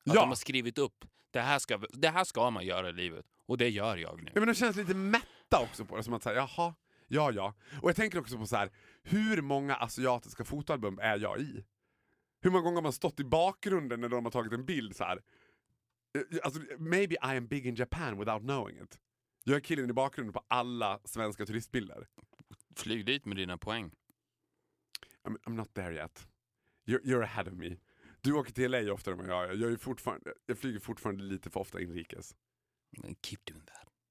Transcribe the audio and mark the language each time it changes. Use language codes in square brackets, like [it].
[sv] Att de har skrivit upp, det här ska man göra i livet. Och det gör jag nu. Ja, men de känns lite mätta också på det. Som att säga, jaha, ja. Och jag tänker också på så här, hur många asiatiska fotoalbum är jag i? Hur många gånger har man stått i bakgrunden när de har tagit en bild så här? Alltså, [en] maybe I am big in Japan without knowing it. [sv] Jag är killen i bakgrunden på alla svenska turistbilder. Flyg dit med dina poäng. [en] I'm not there yet. You're ahead of me. [sv] Du åker till LA oftare än jag. Jag flyger fortfarande lite för ofta inrikes. [en] Keep doing that.